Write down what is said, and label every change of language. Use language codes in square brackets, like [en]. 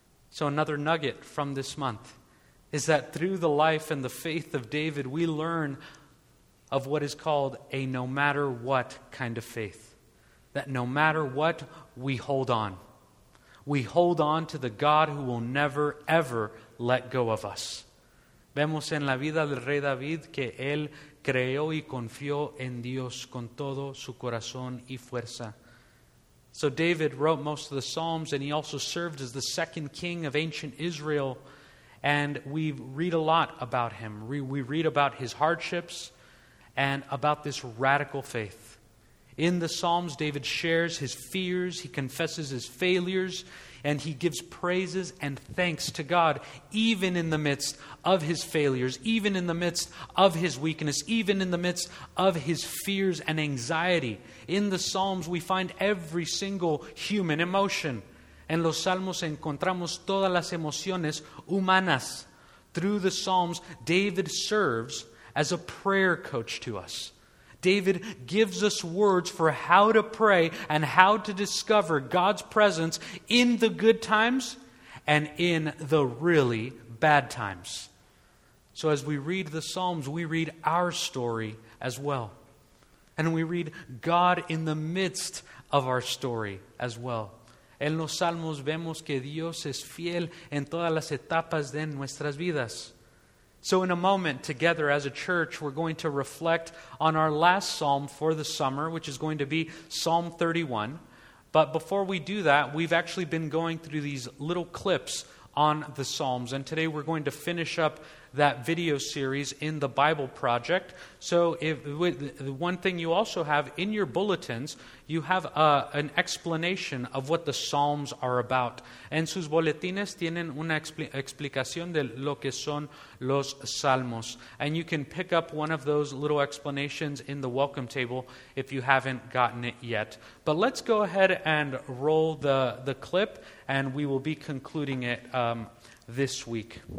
[en] So another nugget from this month is that through the life and the faith of David, we learn of what is called a no matter what kind of faith. That no matter what, we hold on. We hold on to the God who will never, ever let go of us. [es] Vemos en la vida del rey David que él creyó y confió en Dios con todo su corazón y fuerza. [en] So David wrote most of the Psalms, and he also served as the second king of ancient Israel. And we read a lot about him. We read about his hardships and about this radical faith. In the Psalms, David shares his fears, he confesses his failures, and he gives praises and thanks to God, even in the midst of his failures, even in the midst of his weakness, even in the midst of his fears and anxiety. In the Psalms, we find every single human emotion. [es] En los Salmos encontramos todas las emociones humanas. [en] Through the Psalms, David serves as a prayer coach to us. David gives us words for how to pray and how to discover God's presence in the good times and in the really bad times. So as we read the Psalms, we read our story as well. And we read God in the midst of our story as well. [es] En los Salmos vemos que Dios es fiel en todas las etapas de nuestras vidas. [en] So in a moment, together as a church, we're going to reflect on our last psalm for the summer, which is going to be Psalm 31. But before we do that, we've actually been going through these little clips on the Psalms. And today we're going to finish up that video series in the Bible Project. So if the one thing you also have in your bulletins, you have an explanation of what the Psalms are about. [es] En sus boletines tienen una explicación de lo que son los Salmos. [en] And you can pick up one of those little explanations in the welcome table if you haven't gotten it yet. But let's go ahead and roll the clip, and we will be concluding it this week.